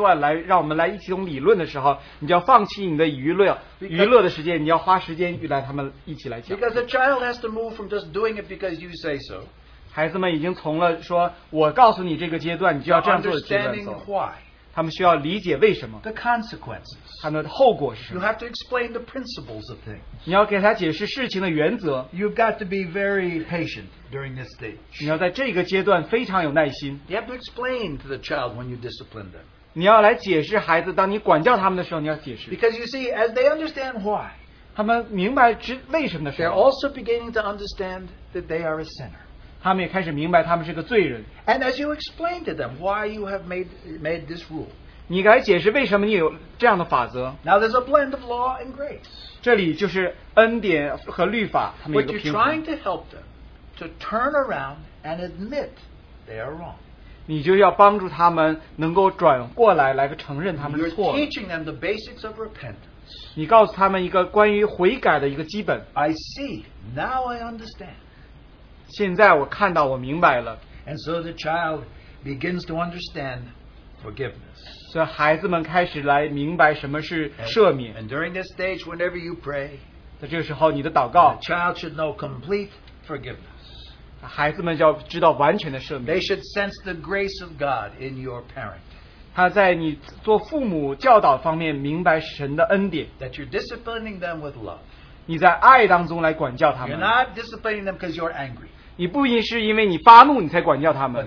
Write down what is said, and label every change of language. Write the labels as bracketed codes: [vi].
[zh] 当你的孩童到了这个阶段来让我们来一起理论的时候 你就要放弃你的娱乐的时间 你要花时间与他们一起来讲 [en] Because a child has to move from just doing it because you say so [zh] 孩子们已经从了说 我告诉你这个阶段 你就要这样做的阶段走 他们需要理解为什么 [en] The consequences [zh] 他们的后果是什么 [en] You have to explain the principles of things [zh] 你要给他解释事情的原则 [en] You've got to be very patient during this stage [zh] 你要在这个阶段非常有耐心 [en] You have to explain to the child when you discipline them [zh] 你要来解释孩子 当你管教他们的时候 你要解释 [en] Because you see as they understand why [zh] 他们明白为什么的时候 [en] They're also beginning to understand that they are a sinner [zh] 他们也开始明白他们是个罪人 [en] And as you explain to them why you have made this rule [zh] 你该解释为什么你有这样的法则 [en] Now there's a blend of law and grace [zh] 这里就是恩典和律法 [en] But you're trying to help them to turn around and admit they are wrong [zh] 你就要帮助他们能够转过来 来承认他们错了 [en] You're teaching them the basics of repentance [zh] 你告诉他们一个关于悔改的一个基本 [en] I see, now I understand [zh] 现在我看到, [en] and so the child begins to understand forgiveness. [zh] 所以孩子们开始来明白什么是赦免。 [en] And during this stage, whenever you pray, [zh] 在这个时候你的祷告, [en] the child should know complete forgiveness. [zh] 孩子们要知道完全的赦免。 [en] They should sense the grace of God in your parenting. [zh] 他在你做父母教导方面明白神的恩典。 [en] That you're disciplining them with love. [zh] 你在爱当中来管教他们。 [en] You're not disciplining them because you're angry. [zh] 你不应是因为你发怒, 你才管教他们。